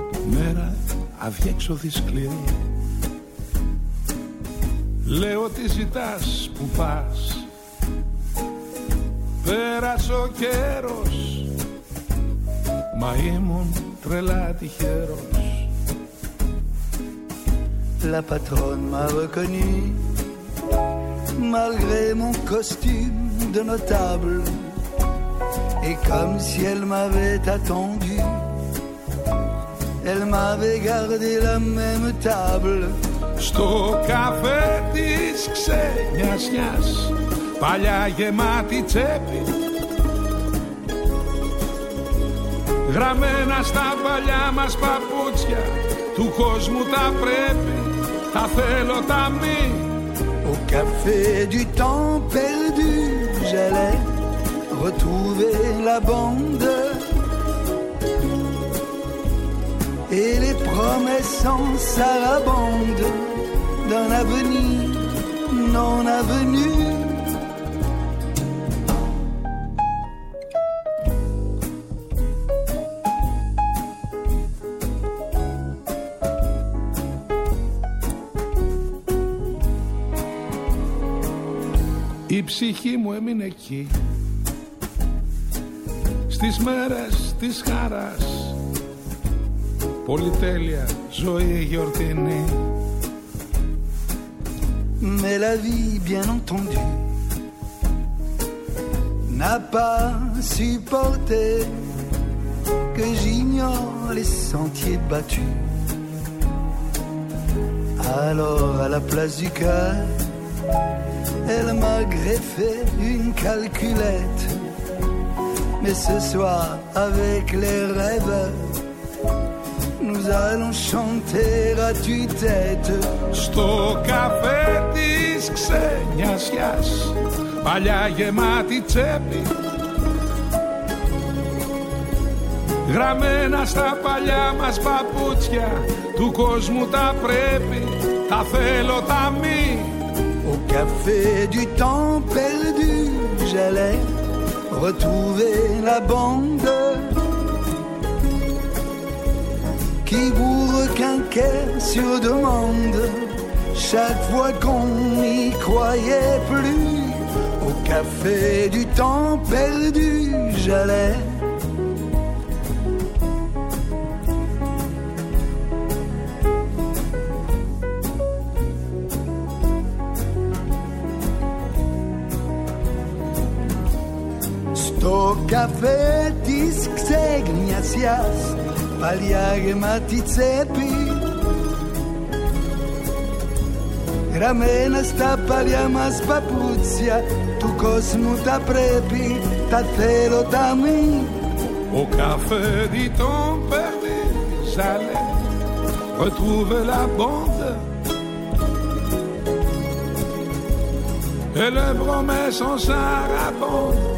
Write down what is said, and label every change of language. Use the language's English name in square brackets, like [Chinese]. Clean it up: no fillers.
[Greek] Μέρα αδιέξοδη σκληρή. Λέω τι ζητάς που πας. Πέρασε ο καιρός, μα ήμουν τρελά τυχερός. [French] La patronne m'a reconnu malgré mon costume de notable. Et comme si elle m'avait attendu, elle m'avait gardé la même table. [Greek] Στο καφέ της ξενιασιάς, παλιά γεμάτη τσέπη, γραμμένα στα παλιά μας παπούτσια, του κόσμου τα πρέπει, τα θέλω τα μη. [French] Au café du temps perdu, j'allais retrouver la bande et les promesses en sarabande d'un avenir non avenu. [Greek] Η ψυχή μου έμεινε εκεί στις μέρες της χαράς, πολυτέλεια ζωή γιορτινή. [French] Mais la vie, bien entendu, n'a pas supporté que j'ignore les sentiers battus. Alors, à la place du cœur, elle m'a greffé une calculette. Mais ce soir, avec les rêves, nous allons chanter à tue-tête. [Greek] Στο café της ξενιασιάς, παλιά γεμάτη τσέπη, γραμμένα στα παλιά μας παπούτσια, του κόσμου τα πρέπει, τα θέλω τα μη. [French] Au café du temps perdu, j'allais retrouver la bande qui bourre quinquet sur demande chaque fois qu'on n'y croyait plus. Au café du temps perdu, j'allais au café [Greek] της ξεγνιασιάς, παλιά γεμάτη τσέπη, γραμμένα στα παλιά μας παπούτσια, του κόσμου τα πρέπει, τα θέλω τα μη. [French] Au café du temps perdu, j'allais retrouver la bande et le promesse en sarabande.